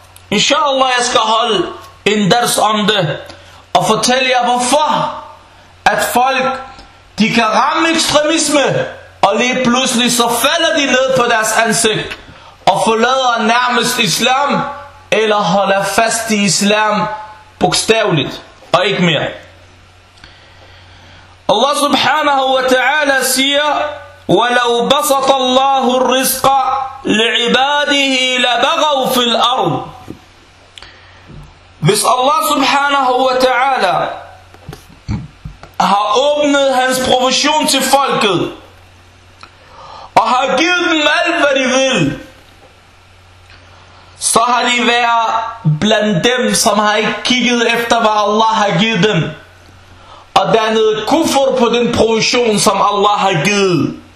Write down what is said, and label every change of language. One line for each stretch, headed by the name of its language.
Danish: Inshallah, jeg skal holde en dars om det, og fortælle jer hvorfor, at folk, de kan ramme ekstremisme, og lige pludselig så falder de ned på deres ansigt, og forlader nærmest islam, eller holder fast i islam bogstaveligt, og ikke mere. Allah subhanahu wa ta'ala siger,
Arabic: وَلَوْ بَسَطَ اللَّهُ الرِّزْقَ لِعِبَادِهِ لَبَغَوْ فِي الْأَرْضِ.
Danish: Hvis Allah subhanahu wa ta'ala har åbnet hans provision til folket, og har givet dem alt, hvad de vil, så har de været blandt dem, som har ikke kigget efter, hvad Allah har givet dem, og dannet kufr på den provision, som Allah har givet.